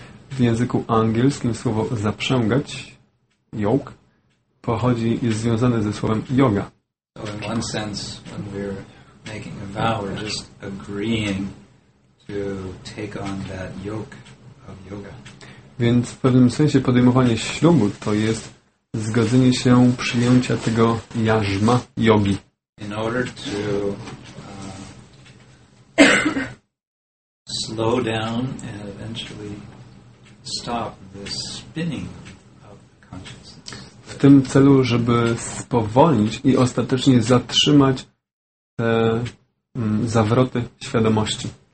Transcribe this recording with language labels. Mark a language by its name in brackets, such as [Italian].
[Polish] W języku angielskim słowo zaprzęgać, yoke, pochodzi, jest związane ze słowem yoga. [English] So in one sense, when we're making a vow, we're just agreeing to take on that yoke of yoga. [Polish] Więc w pewnym sensie podejmowanie ślubu to jest zgodzenie się przyjęcia tego jarzma jogi. [English] In order to slow down and eventually stop the spinning of the consciousness. [Polish] W tym celu, żeby spowolnić i ostatecznie zatrzymać te zawroty świadomości.